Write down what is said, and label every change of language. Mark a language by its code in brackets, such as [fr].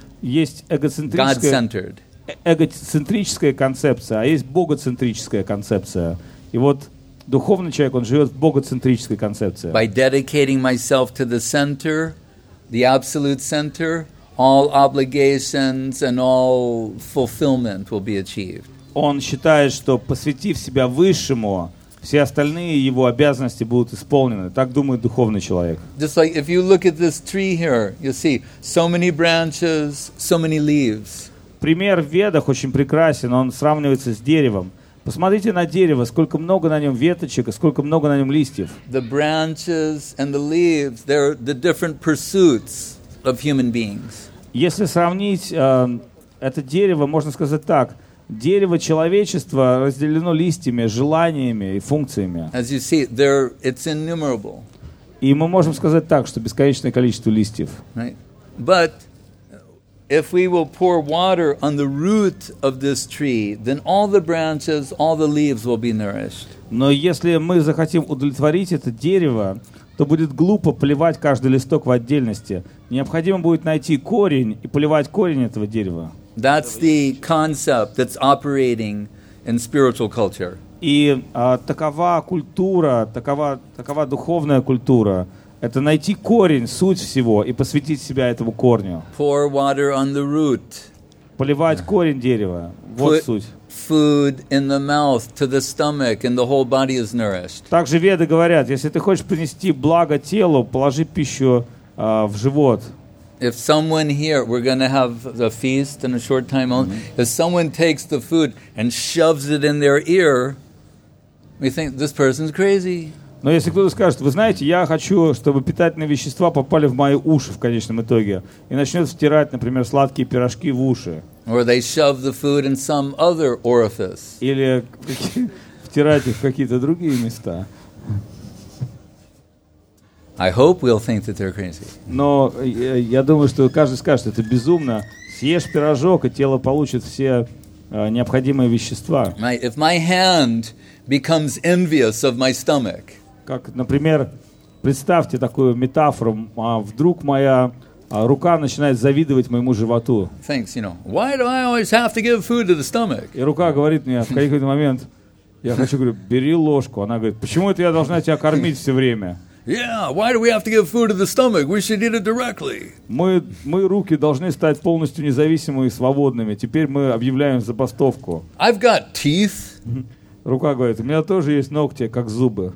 [ru] Есть эгоцентрическая концепция, а есть богоцентрическая концепция. И вот духовный человек, он живет в богоцентрической концепции. [en] By dedicating myself to the center, the absolute center, all obligations and all fulfillment will be achieved. [ru] Он считает, что посвятив себя высшему, все остальные его обязанности будут исполнены. Так думает духовный человек. [en] Just like if you look at this tree here, you see so many branches, so many leaves. [ru] Пример в Ведах очень прекрасен, он сравнивается с деревом. Посмотрите на дерево, сколько много на нем веточек и сколько много на нем листьев. [en] The branches and the leaves, they're the different pursuits of human beings. [ru] Если сравнить это дерево, можно сказать так. Дерево человечества разделено листьями, желаниями и функциями. [en] As you see, they're, it's innumerable. [ru] И мы можем сказать так, что бесконечное количество листьев. [en] Right? But if we will pour water on the root of this tree, then all the branches, all the leaves will be nourished. [ru] Но если мы захотим удовлетворить это дерево, то будет глупо поливать каждый листок в отдельности. Необходимо будет найти корень и поливать корень этого дерева. [en] That's the concept that's operating in spiritual culture. [ru] И такова культура, такова духовная культура. Это найти корень, суть всего, и посвятить себя этому корню. [en] Pour water on the root. [ru] Поливать корень дерева. Вот суть. [en] Food in the mouth to the stomach, and the whole body is nourished. [ru] Также веды говорят, если ты хочешь принести благо телу, положи пищу в живот. [en] If someone here, we're going to have the feast in a short time only. Mm-hmm. If someone takes the food and shoves it in their ear, we think this person's crazy. [ru] Но если кто-то скажет, вы знаете, я хочу, чтобы питательные вещества попали в мои уши в конечном итоге, и начнет втирать, например, сладкие пирожки в уши. [en] Or they shove the food in some other orifice. [ru] Или втирать их в какие-то другие места. [en] I hope we'll think that they're crazy. [ru] Но я думаю, что каждый скажет, это безумно. Съешь пирожок, и тело получит все необходимые вещества. [en] If my hand becomes envious of my stomach, [ru] как, например, представьте такую метафору. Вдруг моя Рука начинает завидовать моему животу. [en] Thanks, you know. Why do I always have to give food to the stomach? [ru] И рука говорит мне в какой-то момент, я хочу, говорю, бери ложку. Она говорит, почему это я должна тебя кормить все время? [en] Yeah, why do we have to give food to the stomach? We should eat it directly. [ru] Мы руки должны стать полностью независимыми и свободными. Теперь мы объявляем забастовку. [en] I've got teeth. [ru] Рука говорит, у меня тоже есть ногти, как зубы.